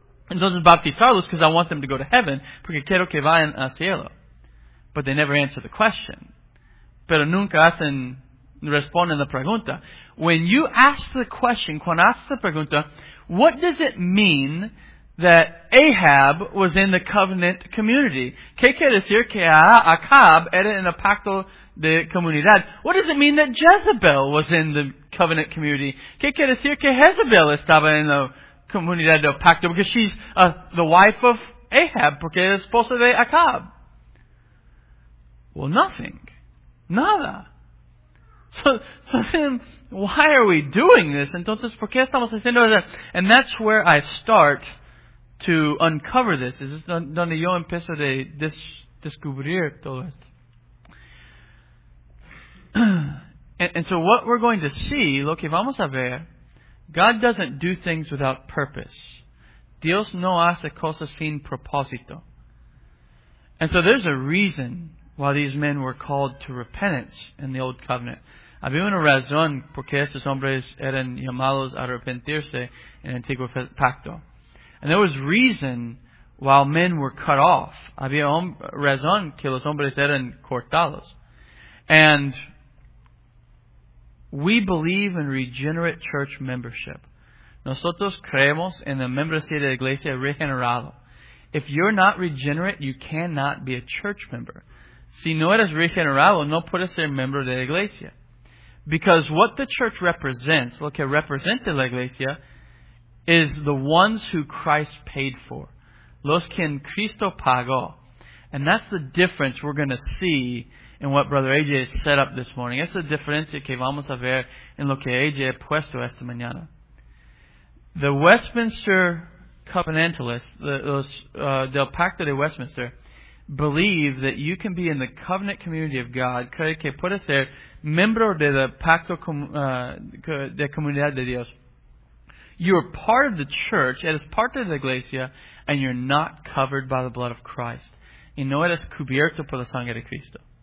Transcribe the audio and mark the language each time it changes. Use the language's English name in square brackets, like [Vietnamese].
[Spanish] Entonces bautizarlos, [English] because I want them to go to heaven, [Spanish] porque quiero que vayan a cielo. [English] But they never answer the question. [Spanish] Pero nunca hacen, responden la pregunta. [English] When you ask the question, [Spanish] cuando haces la pregunta, [English] what does it mean that Ahab was in the covenant community? [Spanish] ¿Qué quiere decir que Acab era en el pacto de comunidad? [English] What does it mean that Jezebel was in the covenant community? [Spanish] ¿Qué quiere decir que Jezebel estaba en la comunidad del pacto? [English] Because she's the wife of Ahab, [Spanish] porque es esposa de Acab. [English] Well, nothing. [Spanish] Nada. [English] So then, why are we doing this? [Spanish] Entonces, ¿por qué estamos haciendo eso? [English] And that's where I start to uncover this. [Spanish] Es donde yo empiezo a descubrir todo esto. [English] And so what we're going to see, [Spanish] lo que vamos a ver, [English] God doesn't do things without purpose. [Spanish] Dios no hace cosas sin propósito. [English] And so there's a reason why these men were called to repentance in the Old Covenant. [Spanish] Había una razón por qué estos hombres eran llamados a arrepentirse en el Antiguo Pacto. [English] And there was reason why men were cut off. [Spanish] Había razón que los hombres eran cortados. [English] And we believe in regenerate church membership. [Spanish] Nosotros creemos en la membresía de la iglesia regenerada. [English] If you're not regenerate, you cannot be a church member. [Spanish] Si no eres regenerado, no puedes ser miembro de la iglesia. [English] Because what the church represents, [Spanish] lo que representa la iglesia, [English] is the ones who Christ paid for. [Spanish] Los que en Cristo pagó. [English] And that's the difference we're going to see in what Brother AJ has set up this morning. [Spanish] Esa es la diferencia que vamos a ver en lo que AJ ha puesto esta mañana. [English] The Westminster Covenantalists, [Spanish] del Pacto de Westminster, [English] believe that you can be in the covenant community of God, [Spanish] cree que puede ser miembro de la pacto de comunidad de Dios. [English] You're part of the church, [Spanish] eres parte de la iglesia, [English] and you're not covered by the blood of Christ. [Spanish] Y no eres cubierto por la sangre de Cristo.